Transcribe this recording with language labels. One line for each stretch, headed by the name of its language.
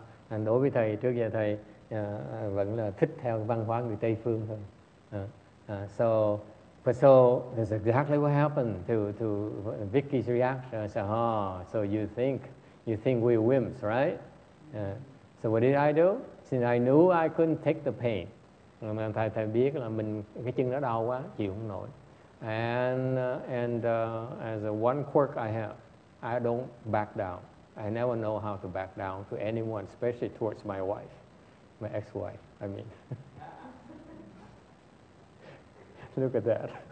Vietnamese: And đối với thầy, trước giờ thầy vẫn là thích theo văn hóa người Tây phương thôi.
English: So that's exactly what happened to Vicky's reaction. I said, so you think we're wimps, right? So what did I do? Since I knew I couldn't take the pain.
Vietnamese: Thầy biết là mình cái chân nó đau quá, chịu không nổi.
English: And as a one quirk I have, I don't back down. I never know how to back down to anyone, especially towards my wife, my ex-wife, I mean. Look at that.